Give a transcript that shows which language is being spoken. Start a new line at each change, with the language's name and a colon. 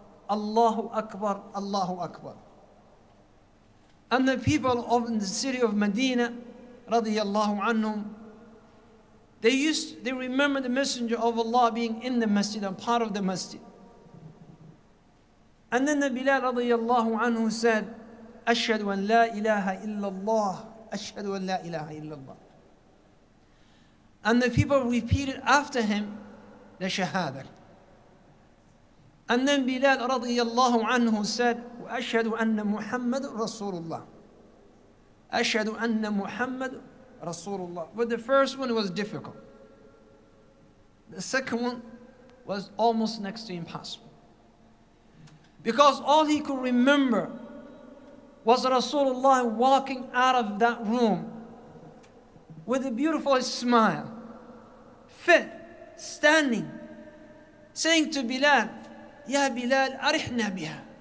English: Allahu Akbar, Allahu Akbar. And the people of the city of Medina, radiyallahu anhum, they remember the Messenger of Allah being in the masjid and part of the masjid. And then the Bilal radiyallahu anhu said, Ashhadu an la ilaha illallah, Ashhadu an la ilaha illallah. And the people repeated after him the shahada. And then Bilal radiyallahu anhu said,
Arabic: وَأَشْهَدُ أَنَّ مُحَمَّدُ رَسُولُ اللَّهِ. أَشْهَدُ أَنَّ مُحَمَّدُ Rasulullah.
English: But the first one was difficult. The second one was almost next to impossible. Because all he could remember was Rasulullah walking out of that room with a beautiful smile, fit, standing, saying to Bilal, Ya Bilal, arihna biha.